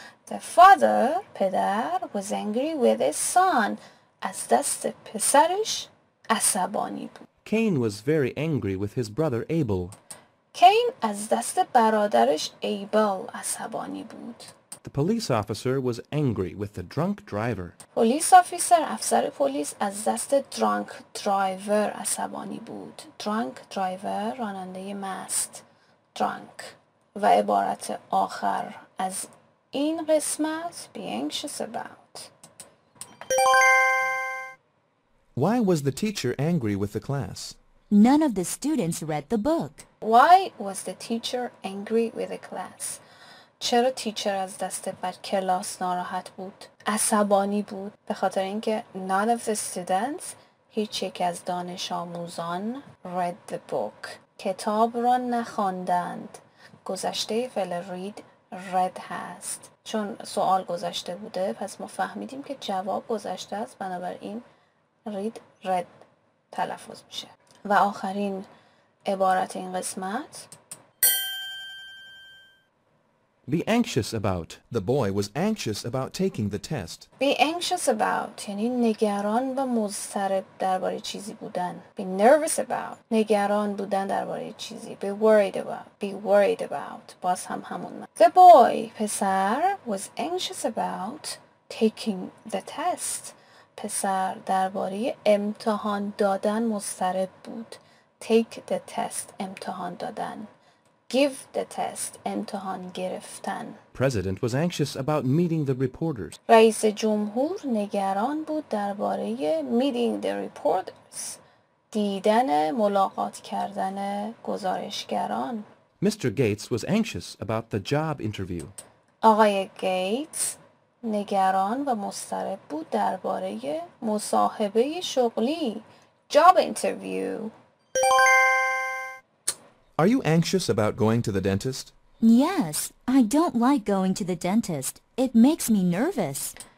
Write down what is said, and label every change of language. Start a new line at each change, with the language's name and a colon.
English: The father, پدر, was angry with his son.
Persian: از دست پسرش عصبانی بود.
English: Cain was very angry with his brother Abel.
Persian: Cain از دست برادرش Abel عصبانی بود.
English: The police officer was angry with the drunk driver. Police officer,
Persian: افسر پلیس از دست
English: drunk driver
Persian: عصبانی بود.
English: Drunk driver,
Persian: راننده مست.
English: Drunk.
Persian: و عبارت آخر از این قسمت,
English: be anxious about. Why was the teacher angry with the class? None of the students read the book. Why was the teacher angry with the class?
Persian: چرا تیچر از دست بر کلاس ناراحت بود؟ عصبانی بود؟ به خاطر اینکه
English: none of the students,
Persian: هیچ یک از دانش آموزان
English: read the book.
Persian: کتاب را نخواندند. گذشته فعل read read هست. چون سوال گذشته بوده پس ما فهمیدیم که جواب گذشته است. بنابراین read read تلفظ میشه. و آخرین عبارت این قسمت
English: Be anxious about. The boy was anxious about taking the test. Be anxious about.
Persian: یعنی نگران و مضطرب درباره چیزی بودن.
English: Be nervous about.
Persian: نگران بودن درباره چیزی.
English: Be worried about. Be worried about.
Persian: باز هم همون من.
English: The boy, پسر, was anxious about taking the test.
Persian: پسر درباره امتحان دادن مضطرب بود.
English: Take the test.
Persian: امتحان دادن.
English: Give the test,
Persian: امتحان گرفتن.
English: President was anxious about meeting the reporters.
Persian: رئیس جمهور نگران بود درباره
English: meeting the reporters.
Persian: دیدن ملاقات کردن گزارشگران.
English: Mr. Gates was anxious about the job interview.
Persian: آقای گیتس نگران و مضطرب بود درباره مصاحبه شغلی.
English: Job interview. Are you anxious about going to the dentist? Yes, I don't like going to the dentist. It makes me nervous.